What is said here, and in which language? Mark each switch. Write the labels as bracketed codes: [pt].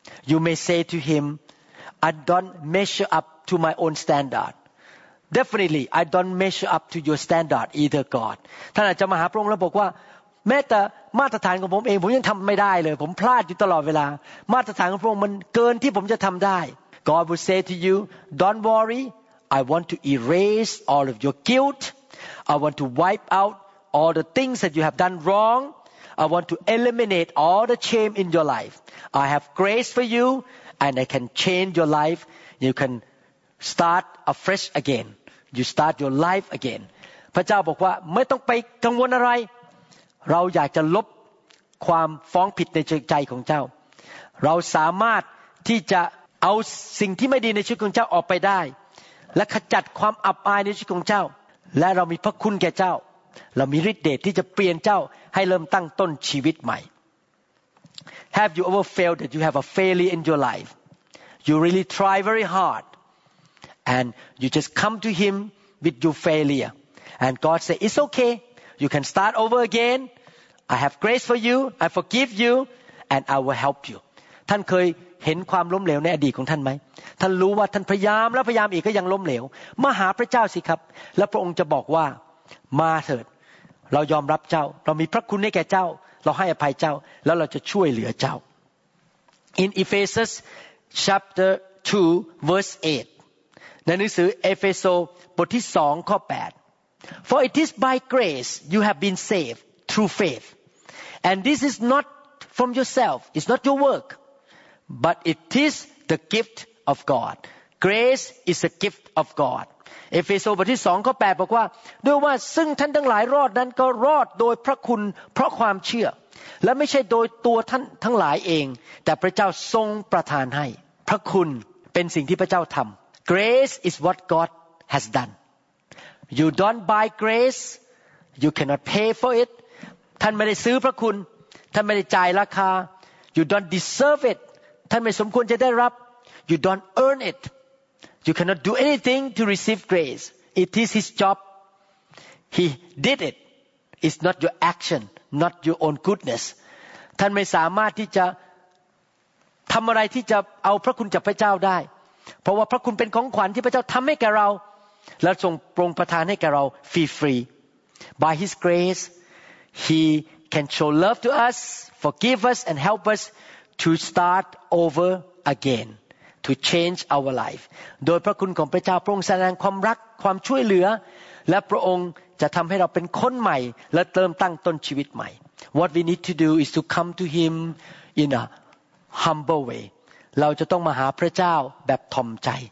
[en] You may say to him I don't measure up to my own standard Definitely I don't measure up to your standard either God [th] ท่านอาจจะมาหาพระองค์แล้วบอกว่าแม้แต่มาตรฐานของผมเองผมยังทำไม่ได้เลยผมพลาดอยู่ตลอดเวลามาตรฐานของพระองค์มันเกินที่ผมจะทำได้ [en] God will say to you Don't worry I want to erase all of your guilt I want to wipe out all the things that you have done wrong. I want to eliminate all the shame in your life. I have grace for you and I can change your life. You can start afresh again. You start your life again. [th] พระเจ้าบอกว่าไม่ต้องไปกังวลอะไรเราอยากจะลบความฟ้องผิดในใจของเจ้าเราสามารถที่จะเอาสิ่งที่ไม่ดีในชีวิตของเจ้าออกไปได้และขจัดความอับอายในชีวิตของเจ้าและเรามีพระคุณแก่เจ้าเรามีฤทธิ์เดชที่จะเปลี่ยนเจ้าให้เริ่มตั้งต้นชีวิตใหม่ [en] Have you ever felt that you have a failure in your life? You really try very hard and you just come to him with your failure and God say it's okay you can start over again I have grace for you I forgive you and I will help you [th] ท่านเคยเห็นความล้มเหลวในอดีตของท่านไหมท่านรู้ว่าท่านพยายามแล้วพยายามอีกก็ยังล้มเหลวมาหาพระเจ้าสิครับแล้วพระองค์จะบอกว่ามาเถิดเรายอมรับเจ้าเรามีพระคุณให้แก่เจ้าเราให้อภัยเจ้าแล้วเราจะช่วยเหลือเจ้า [en] In Ephesians chapter 2 verse 8 [th] ในหนังสือเอเฟโซบทที่2ข้อ8 [en] For it is by grace you have been saved through faith and this is not from yourself it's not your workBut it is the gift of God. Grace is a gift of God. [th] Ephesians 2 ข้อ 8 บอกว่าด้วยว่าซึ่งท่านทั้งหลายรอดนั้นก็รอดโดยพระคุณเพราะความเชื่อและไม่ใช่โดยตัวท่านทั้งหลายเองแต่พระเจ้าทรงประทานให้พระคุณเป็นสิ่งที่พระเจ้าทำ [en] Grace is what God has done. You don't buy grace. You cannot pay for it. [th] ท่านไม่ได้ซื้อพระคุณท่านไม่ได้จ่ายราคา [en] You don't deserve it [th] ท่านไม่สมควรจะได้รับ [en] You don't earn it. You cannot do anything to receive grace. It is his job. He did it. It's not your action, not your own goodness. [th] ท่านไม่สามารถที่จะทำอะไรที่จะเอาพระคุณจากพระเจ้าได้เพราะว่าพระคุณเป็นของขวัญที่พระเจ้าทำให้แก่เราและทรงโปร่งประทานให้แก่เราฟรี [en] By his grace, he can show love to us, forgive us, and help us. To start over again, to change our life. [th] โดยพระคุณของพระเจ้าพระองค์แสดงความรักความช่วยเหลือและพระองค์จะทำให้เราเป็นคนใหม่และเติมตั้งต้นชีวิตใหม่ [en] What we need to do is to come to Him in a humble way. [th] เราจะต้องมาหาพระเจ้าแบบถ่อมใจ